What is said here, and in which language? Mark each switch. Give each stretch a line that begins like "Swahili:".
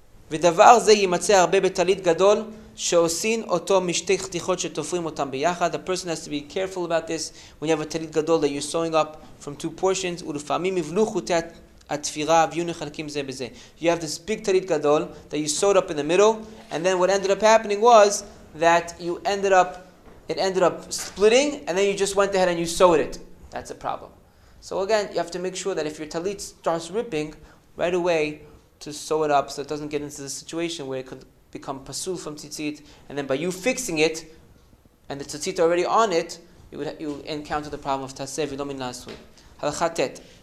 Hebrew: V'davar ze yimatze harbe betalit gadol, שעושים אותו משתי חתיכות שתופרים אותם ביחד.
English: The person has to be careful about this when you have a talit gadol that you're sewing up from two portions.
Hebrew: ולפעמים יבלו חוטי התפירה ויהיו נחלקים זה בזה.
English: You have this big talit gadol that you sewed up in the middle, and then what ended up happening was that it ended up splitting, and then you just went ahead and you sewed it. That's a problem. So again, you have to make sure that if your talit starts ripping, right away to sew it up so it doesn't get into the situation where it could become pasul from tzitzit, and then by you fixing it, and the tzitzit already on it, you encounter the problem of taseh v'lo min la'asui. Halachatet.